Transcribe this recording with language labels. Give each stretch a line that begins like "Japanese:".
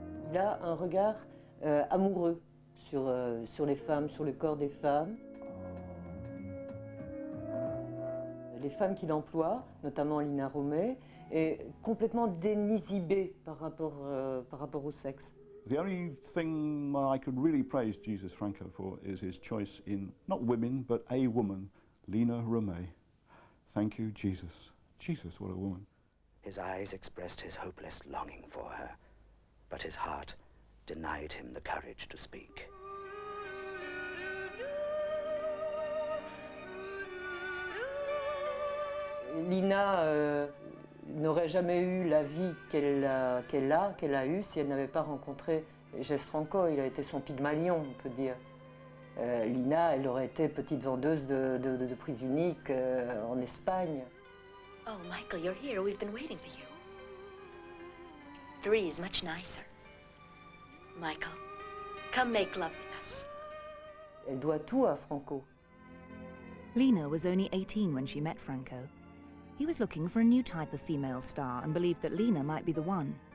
French: Il a un regard amoureux. Sur les femmes, sur le corps des femmes. Les femmes qu'il emploie, notamment Lina Romay, est complètement dénisibée par rapport au sexe.
English: The only thing I could really praise Jesus Franco for is his choice in, not women, but a woman, Lina Romay. Thank you, Jesus. Jesus, what a woman. His eyes expressed his hopeless longing for her, but his heart denied him the courage to speak.
French: Lina n'aurait jamais eu la vie qu'elle a eue si elle n'avait pas rencontré Jess Franco. Il a été son pygmalion, on peut dire. Lina, elle aurait été petite vendeuse de prise unique en Espagne.
English: Oh, Michael, you're here. We've been waiting for you. Three is much nicer. Michael, come make love with us.
French: Elle doit tout à Franco.
English: Lena was only 18 when she met Franco. He was looking for a new type of female star and believed that Lena might be the one.